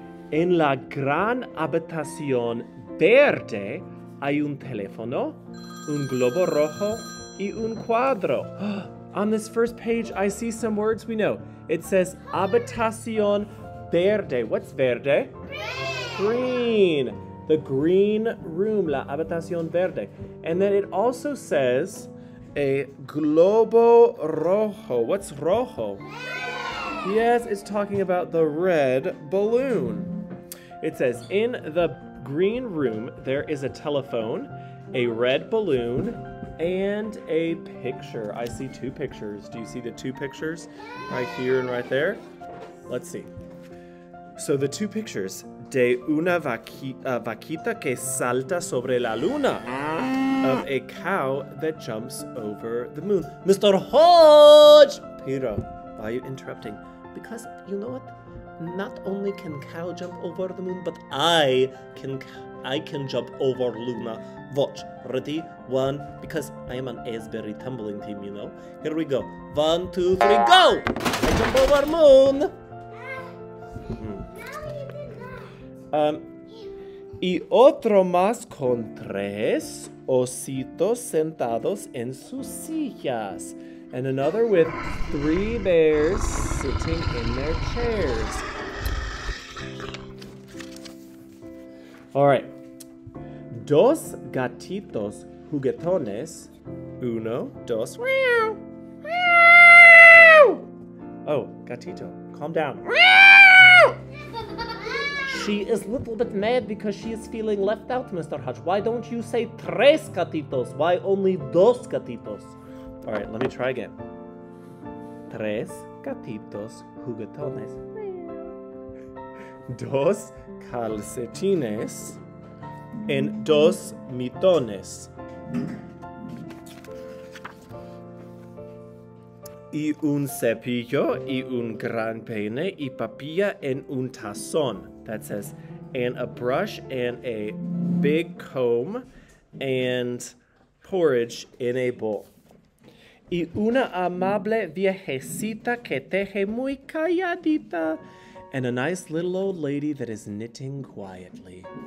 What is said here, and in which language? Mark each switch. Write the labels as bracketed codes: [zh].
[es] En la gran habitación verde hay un teléfono, un globo rojo, y un cuadro. [en] On this first page, I see some words we know. It says [es] habitación verde. [en] What's verde? Green. Green. The green room, [es] la habitación verde. [en] And then it also says a [es] globo rojo. [en] What's rojo? Red. Yes, it's talking about the red balloon. It says, in the green room, there is a telephone, a red balloon, and a picture. I see two pictures. Do you see the two pictures? Right here and right there? Let's see. So the two pictures. [es] De una vaquita que salta sobre la luna. [en] Of a cow that jumps over the moon. Mr. Hodge! Pirro, why are you interrupting? Because, you know what? Not only can cow jump over the moon, but I can jump over Luna. Watch. Ready? One. Because I am an Asbury tumbling team, you know. Here we go. One, two, three, go! I jump over moon! [es] Y otro más con tres ositos sentados en sus sillas. [en] And another with three bears sitting in their chairs. All right, [es] dos gatitos juguetones, uno, dos, meow, meow. [en] Oh, gatito, calm down. Meow. She is a little bit mad because she is feeling left out, Mr. Hodge. Why don't you say [es] tres gatitos? [en] Why only [es] dos gatitos? [en] All right, let me try again. [es] Tres gatitos juguetones. Dos calcetines en dos mitones. Y un cepillo y un gran peine y papilla en un tazón. [en] That says, and a brush and a big comb and porridge in a bowl. [es] Y una amable viejecita que teje muy calladita. [en] And a nice little old lady that is knitting quietly.